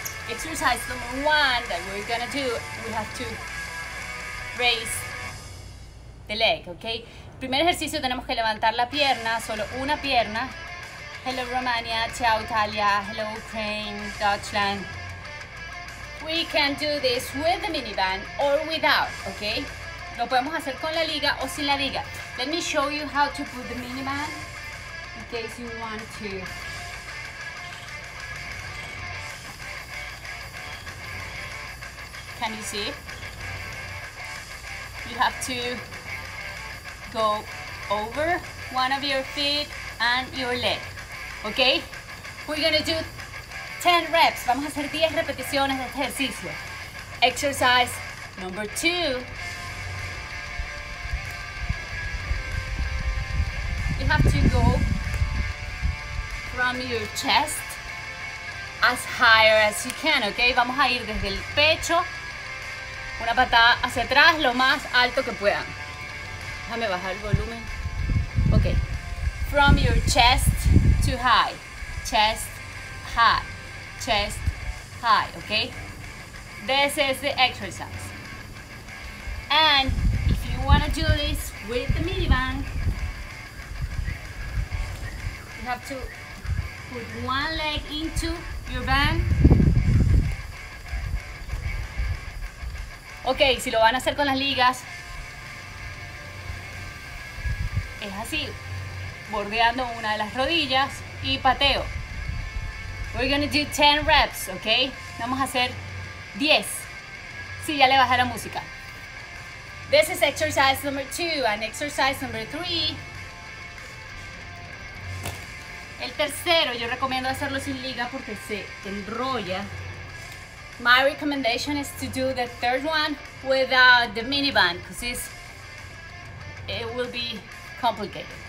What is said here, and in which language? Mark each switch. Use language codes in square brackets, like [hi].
[en] Exercise number one that we're gonna do, we have to raise the leg, okay? [es] Primer ejercicio, tenemos que levantar la pierna, solo una pierna. [en] Hello Romania, ciao Italia, hello Ukraine, Deutschland. We can do this with the miniband or without, okay? [es] Lo podemos hacer con la liga o sin la liga. [en] Let me show you how to put the miniband in case you want to. Can you see? You have to go over one of your feet and your leg. Okay? We're gonna do 10 reps. [es] Vamos a hacer 10 repeticiones de este ejercicio. [en] Exercise number two. You have to go from your chest as higher as you can, okay? [es] Vamos a ir desde el pecho. Una patada hacia atrás, lo más alto que puedan. Déjame bajar el volumen. [en] Okay. From your chest to high. Chest high. Chest high, okay? This is the exercise. And if you want to do this with the miniband, you have to put one leg into your band. [es] Ok, si lo van a hacer con las ligas, es así, bordeando una de las rodillas y pateo. [en] We're gonna do 10 reps, [es] ok? Vamos a hacer 10. Sí, ya le bajé la música. [en] This is exercise number 2 and exercise number 3. [es] El tercero, yo recomiendo hacerlo sin liga porque se enrolla. [en] My recommendation is to do the third one without the miniband because it will be complicated.